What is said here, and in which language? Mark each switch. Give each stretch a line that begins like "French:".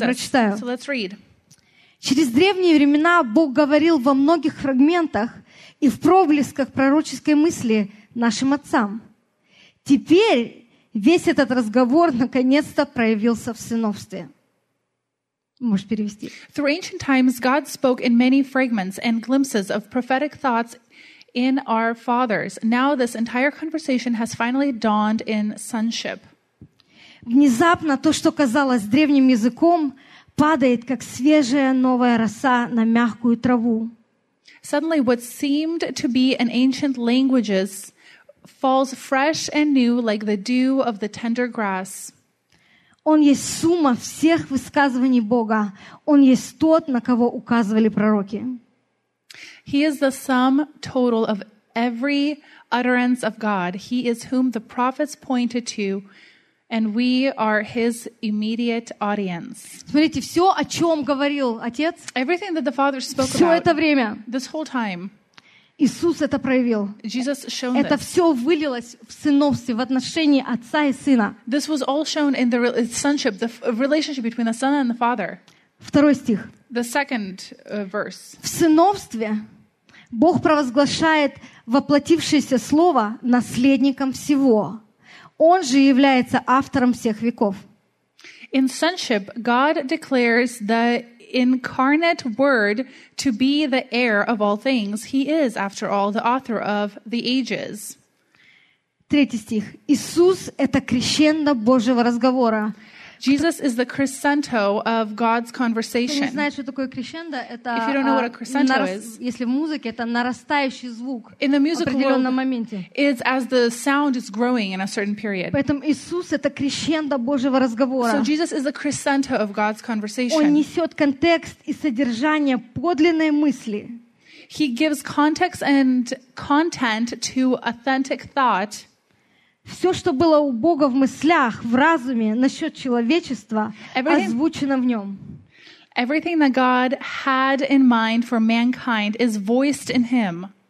Russian: Я прочитаю.
English: So let's read.
Russian: Через древние времена Бог говорил во многих фрагментах и в проблесках пророческой мысли нашим отцам. Теперь весь этот разговор наконец-то проявился в сыновстве. Можешь перевести?
English: Through ancient times God spoke in many fragments and glimpses of prophetic thoughts in our fathers. Now this entire conversation has finally dawned in sonship.
Russian: Внезапно то, что казалось древним языком, падает как свежая новая роса на мягкую траву.
English: Suddenly what seemed to be an ancient language falls fresh and new like the dew of the tender grass.
Russian: Он есть сумма всех высказываний Бога. Он есть тот, на кого указывали пророки.
English: He is the sum total of every utterance of God. He is whom the prophets pointed to, and we are his immediate audience.
Russian: Смотрите, все, о чем говорил Отец,
English: everything that the Father spoke
Russian: все
English: about,
Russian: это время,
English: this whole time,
Russian: Иисус это проявил.
English: Jesus shown
Russian: это
English: this.
Russian: Все вылилось в сыновстве, в отношении отца и сына.
English: This was all shown in the sonship, the relationship between the son and the father.
Russian: Второй стих.
English: The second verse.
Russian: В сыновстве Бог провозглашает воплотившееся слово наследником всего. Он же является автором всех веков.
English: In sonship, God declares the incarnate word to be the heir of all things. He is, after all, the author of the ages.
Russian: Третий стих. Иисус — это крещендо Божьего разговора.
English: Jesus is the crescendo of God's conversation.
Russian: Кто не знает, что такое крещендо, это,
English: if you don't know what a crescendo is,
Russian: если в музыке, это нарастающий звук
English: in the musical
Russian: в определенном
English: world,
Russian: моменте.
English: It's as the sound is growing in a certain period.
Russian: Поэтому Иисус — это крещендо Божьего разговора.
English: So Jesus is the crescendo of God's conversation.
Russian: Он несет контекст и содержание подлинной мысли.
English: He gives context and content to authentic thought.
Russian: Все, что было у Бога в мыслях, в разуме, насчет человечества,
English: everything,
Russian: озвучено в нем.
English: Everything that God had in mind for mankind is voiced in him.